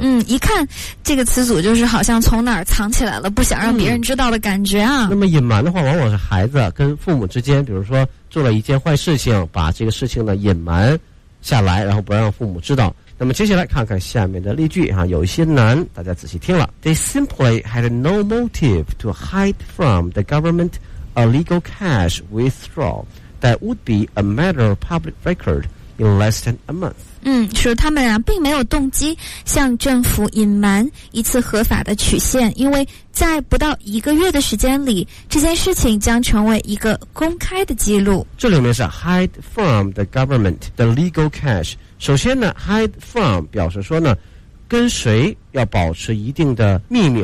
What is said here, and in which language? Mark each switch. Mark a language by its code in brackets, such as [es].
[zh] 嗯，一看这个词组就是好像从哪儿藏起来了，不想让别人知道的感觉啊。那么隐瞒的话，往往是孩子跟父母之间，比如说做了一件坏事情，把这个事情呢隐瞒下来，然后不让父母知道。那么接下来看看下面的例句哈，有一些难，大家仔细听了。 [en] They simply had no motive to hide from the government a legal cash withdrawal that would be a matter of public record in less than a month. [zh] 嗯，说他们啊并没有动机向政府隐瞒一次合法的取现，因为在不到一个月的时间里，这件事情将成为一个公开的记录。这里面是 [en] hide from the government the legal cash。 [zh] 首先呢 ，hide from 表示说呢，跟谁要保持一定的秘密。